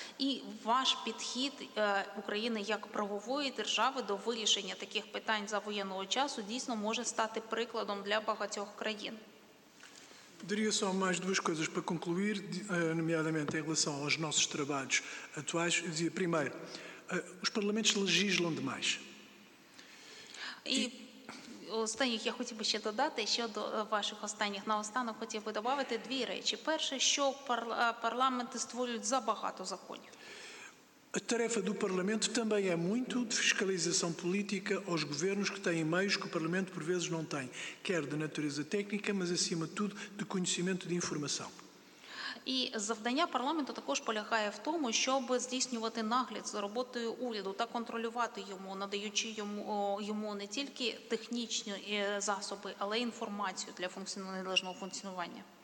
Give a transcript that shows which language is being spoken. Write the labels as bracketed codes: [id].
[uk] І ваш підхід України як правової держави до вирішення таких питань за воєнного часу дійсно може стати прикладом для багатьох країн. [pt] Daria só mais 2 coisas para concluir, nomeadamente em relação aos nossos trabalhos atuais. Eu dizia, primeiro, os parlamentos legislam demais. [uk] Останніх я хотів би ще додати щодо ваших останніх. Наостанок хотів би додати 2 речі. Перше, що парламенти створюють забагато законів. [pt] A tarefa do parlamento também é muito de fiscalização política aos governos que têm meios que o parlamento por vezes não tem, quer de natureza técnica, mas acima de tudo de conhecimento de informação. [uk] І завдання парламенту також полягає в тому, щоб здійснювати нагляд за роботою уряду та контролювати йому, надаючи йому не тільки технічні засоби, але й інформацію для належного функціонування.